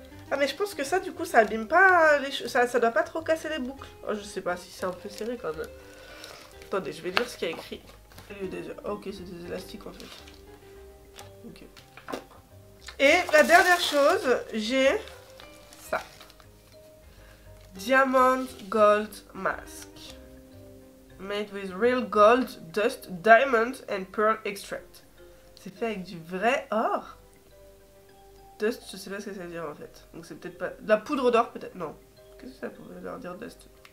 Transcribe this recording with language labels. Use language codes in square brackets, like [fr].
[fr] Ah mais je pense que ça du coup ça abîme pas les cheveux. Ça doit pas trop casser les boucles. Oh, je sais pas si c'est un peu serré quand même. Attendez, je vais lire ce qu'il y a écrit. Oh, ok, c'est des élastiques en fait. Ok. Et la dernière chose, j'ai ça. [en] Diamond Gold Mask. Made with real gold, dust, diamond and pearl extract. [fr] C'est fait avec du vrai or. Dust, je sais pas ce que ça veut dire en fait. Donc c'est peut-être pas... La poudre d'or peut-être. Non. Qu'est-ce que ça pourrait leur dire, dust?